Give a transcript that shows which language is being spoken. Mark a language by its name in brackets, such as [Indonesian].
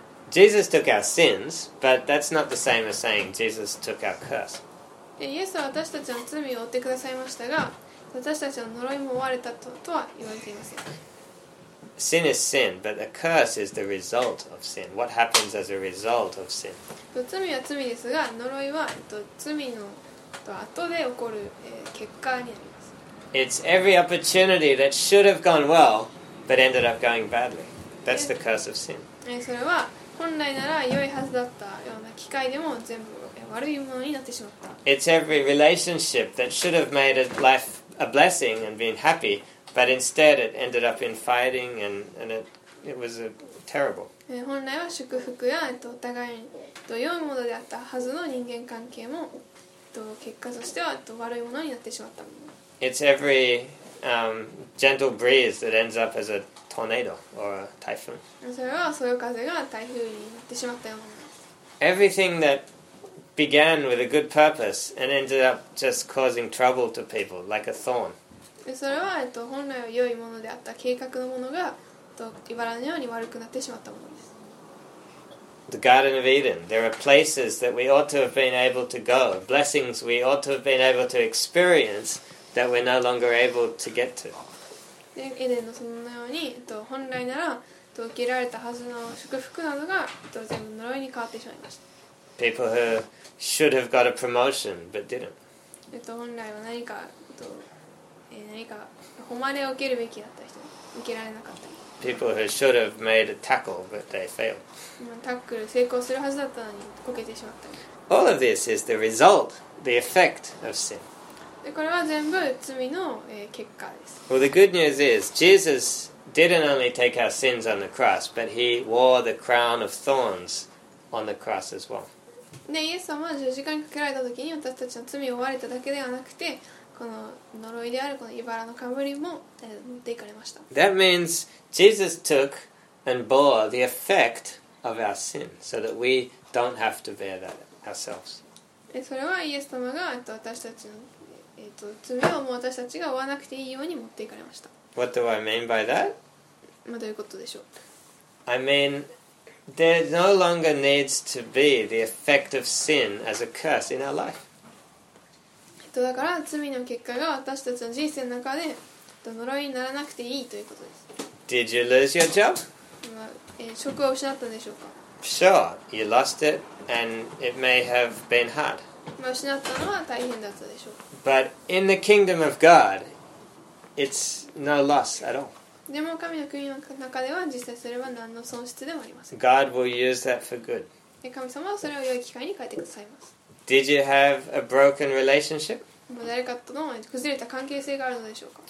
[English] Jesus took our sins, but that's not the same as saying Jesus took our curse. [Japanese] イエスは私たちの罪を負ってくださいましたが、私たちの呪いも負われたとは言われていません。 [English] Sin is sin, but the curse is the result of sin. What happens as a result of sin? [Japanese] 罪は罪ですが、呪いは罪の後で起こる結果になります。 [English] It's every opportunity that should have gone well, but ended up going badly. That's the curse of sin. [Japanese] それは本来なら良いはずだったような機会でも全部悪いものになってしまった。 [English] It's every relationship that should have made life a blessing and been happy. But instead, it ended up in fighting, and it was a terrible. [Japanese] 本来は祝福やお互いに良いものであったはずの人間関係も結果としては悪いものになってしまった。 [English] It's every gentle breeze that ends up as a tornado or a typhoon. [Japanese] それはそよ風が台風になってしまったようなもの。 [English] Everything that began with a good purpose and ended up just causing trouble to people, like a thorn. [Japanese] それは本来は良いものであった計画のものが茨のように悪くなってしまったものです。 [English] The Garden of Eden. There are places that we ought to have been able to go, blessings we ought to have been able to experience that we're no longer able to get to. [Japanese] で、エデンのそのように本来なら受けられたはずの祝福などが全部呪いに変わってしまいました。 [English] People who should have got a promotion but didn't. [Japanese] 本来は何か何か誉れを受けるべきだった人、受けられなかった人。 [English] People who should have made a tackle, but they failed. [Japanese] タックル成功するはずだったのにこけてしまった人。 [English] All of this is the result, the effect of sin. [Japanese] で、これは全部罪の結果です。 [English] Well, the good news is Jesus didn't only take our sins on the cross, but he wore the crown of thorns on the cross as well. [Japanese] で、イエス様は十字架にかけられた時に私たちの罪を負われただけではなくて、この呪いであるこの茨の冠も持っていかれました。 [English] That means Jesus took and bore the effect of our sin so that we don't have to bear that ourselves. [Japanese] それはイエス様が私たちの罪をもう私たちが負わなくていいように持っていかれました。 [English] What do I mean by that? [Japanese] まあどういうことでしょう。 [English] I mean there no longer needs to be the effect of sin as a curse in our life. [Japanese] だから罪の結果が私たちの人生の中で呪いにならなくていいということです。 [English] Did you lose your job? [Japanese] 職を失ったんでしょうか? [English] Sure, you lost it, and it may have been hard. [Japanese] 失ったのは大変だったでしょう。 [English] But in the kingdom of God, it's no loss at all. [Japanese] でも神の国の中では実際それは何の損失でもありません。 [English] God will use that for good. [Japanese] 神様はそれを良い機会に変えてくださいます。 [English] Did you have a broken relationship? [Japanese] 誰かとの崩れた関係性があるのでしょうか?